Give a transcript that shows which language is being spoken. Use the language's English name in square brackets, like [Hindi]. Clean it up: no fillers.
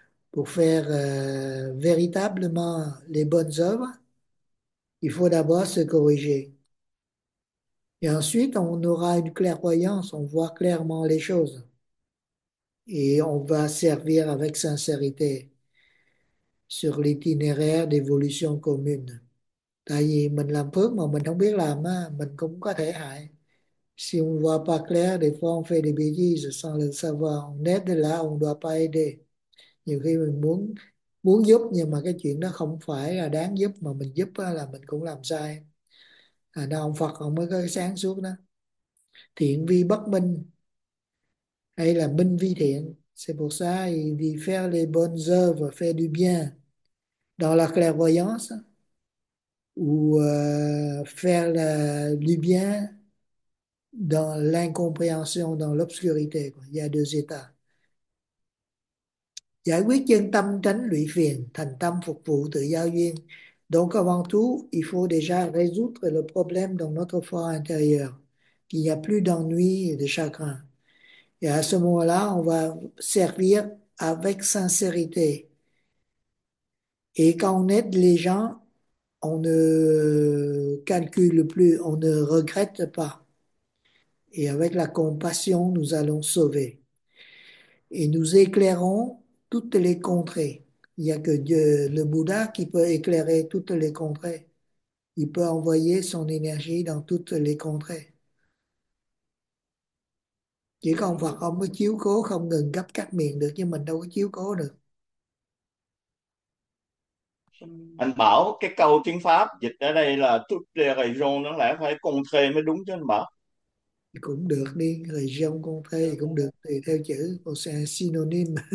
[French] pour faire véritablement les bonnes œuvres, il faut d'abord se corriger. Et ensuite, on aura une clairvoyance, on voit clairement les choses. Et on va servir avec sincérité sur l'itinéraire d'évolution commune. [Vietnamese] Tại vì mình làm phước mà mình không biết làm á, mình cũng có thể hại. [French] Si on voit pas clair, des fois on fait des bêtises sans le savoir. On aide là on ne doit pas aider. [Vietnamese] Nhiều khi mình muốn muốn giúp nhưng mà cái chuyện đó không phải là đáng giúp, mà mình giúp á, là mình cũng làm sai. À, đó, ông Phật ông mới có cái sáng suốt đó. Thiện vi bất minh hay là minh vi thiện. [French] C'est pour ça, il dit faire les bonnes œuvres, faire du bien dans la clairvoyance ou faire du bien dans l'incompréhension, dans l'obscurité. Il y a deux états. [Vietnamese] Giải quyết chân tâm tránh lụy phiền, thành tâm phục vụ tự giao duyên. [French] Donc avant tout, il faut déjà résoudre le problème dans notre for intérieur, qu'il n'y a plus d'ennui et de chagrin. Et à ce moment-là, on va servir avec sincérité. Et quand on aide les gens, on ne calcule plus, on ne regrette pas. Et avec la compassion, nous allons sauver. Et nous éclairons toutes les contrées. Il n'y a que Dieu, le Bouddha, qui peut éclairer toutes les contrées. Il peut envoyer son énergie dans toutes les contrées. [Vietnamese] Chỉ còn Phật ông mới chiếu cố không ngừng gấp cắt miệng được, nhưng mình đâu có chiếu cố được. Anh bảo cái câu tiếng Pháp dịch ở đây là [French] tout les régions, [Vietnamese] nó lẽ phải con thê mới đúng chứ anh bảo. Cũng được đi, rồi dòng con thê cũng được, tùy theo chữ, còn sẽ synonym.